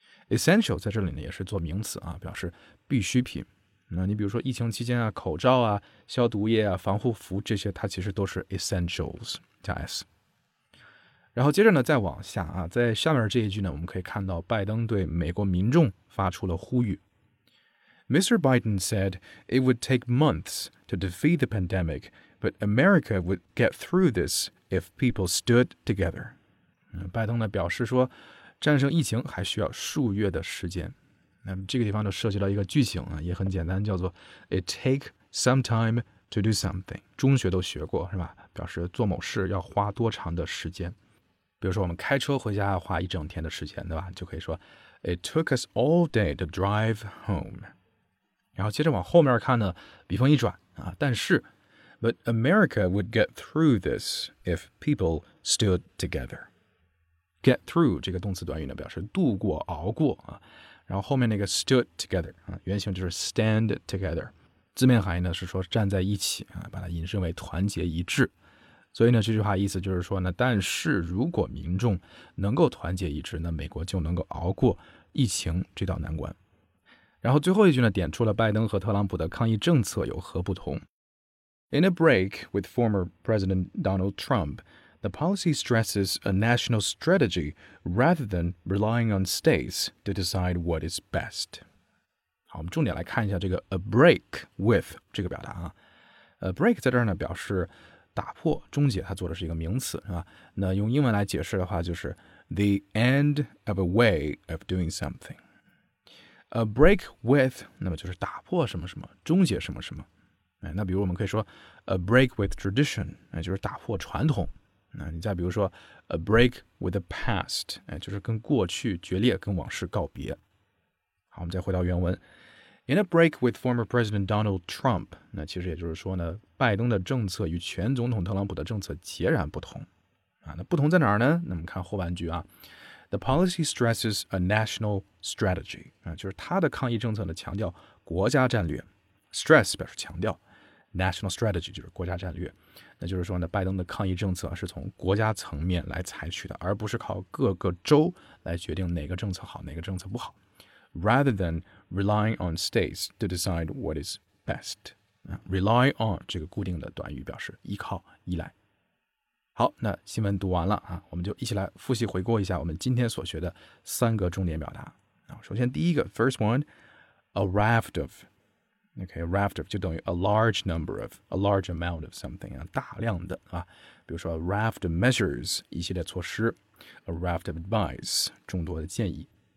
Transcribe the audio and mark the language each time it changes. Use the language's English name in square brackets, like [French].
[Chinese] Essential 在这里呢也是做名词啊，表示必需品。那你比如说疫情期间啊，口罩啊，消毒液啊，防护服这些，它其实都是 essentials 加 s。然后接着呢，再往下啊，在下面这一句呢，我们可以看到拜登对美国民众发出了呼吁。 [English] Mr. Biden said it would take months to defeat the pandemic, but America would get through this if people stood together. [Chinese] 拜登呢表示说，战胜疫情还需要数月的时间。那这个地方就涉及到一个句型啊，也很简单，叫做 [English] it take some time to do something。 [Chinese] 中学都学过是吧？表示做某事要花多长的时间。比如说我们开车回家花一整天的时间，对吧？就可以说 [English] it took us all day to drive home。 [Chinese] 然后接着往后面看呢，笔锋一转啊，但是 [English] but America would get through this if people stood together。 get through [Chinese] 这个动词短语呢，表示度过、熬过啊。然后后面那个 [English] stood together [Chinese] 啊，原型就是 [English] stand together， [Chinese] 字面含义呢是说站在一起啊，把它引申为团结一致。所以呢，这句话意思就是说呢，但是如果民众能够团结一致，那美国就能够熬过疫情这道难关。然后最后一句呢，点出了拜登和特朗普的抗疫政策有何不同。 [English] In a break with former President Donald Trump, the policy stresses a national strategy rather than relying on states to decide what is best. [Chinese] 好，我们重点来看一下这个 [English] a break with [Chinese] 这个表达啊。 [English] A break [Chinese] 在这儿呢表示打破、终结，它做的是一个名词，是吧？那用英文来解释的话，就是 [English] the end of a way of doing something. A break with, [Chinese] 那么就是打破什么什么，终结什么什么。哎，那比如我们可以说 [English] a break with tradition, [Chinese] 那就是打破传统。那你再比如说 [English] a break with the past, [Chinese] 哎，就是跟过去决裂，跟往事告别。好，我们再回到原文。 [English] In a break with former President Donald Trump, [Chinese] 那其实也就是说呢，拜登的政策与前总统特朗普的政策截然不同。啊，那不同在哪儿呢？那我们看后半句啊。 [English] The policy stresses a national strategy. [Chinese] 就是他的抗疫政策呢强调国家战略。 Stress 表示强调。 [English] National strategy [Chinese] 就是国家战略。那就是说呢，拜登的抗疫政策是从国家层面来采取的，而不是靠各个州来决定哪个政策好，哪个政策不好。 [English] Rather than relying on states to decide what is best. Rely on [Chinese] 这个固定的短语表示依靠、依赖。好，那新闻读完了啊，我们就一起来复习回顾一下我们今天所学的三个重点表达。首先第一个 , [English] first one, a raft of, okay, a raft of [Chinese] 就等于 [English] a large number of, a large amount of something, [Chinese] 啊，大量的啊，比如说 [English] a raft of measures, [Chinese] 一系列措施 [English] ,a raft of advice, [Chinese] 众多的建议。